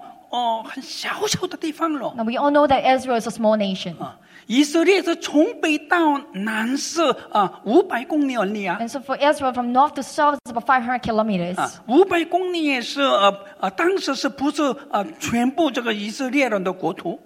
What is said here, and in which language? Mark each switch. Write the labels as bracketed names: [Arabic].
[Chinese] 那么你们知道这个以色列呢？很小小的地方了。 [English] Now we all know that Israel is a small nation. [Chinese] 以色列是从北到南是500公里而已啊。 [English] And so for Israel from north to south is about 500 kilometers. [Chinese] 500公里也是当时是不是全部这个以色列人的国土。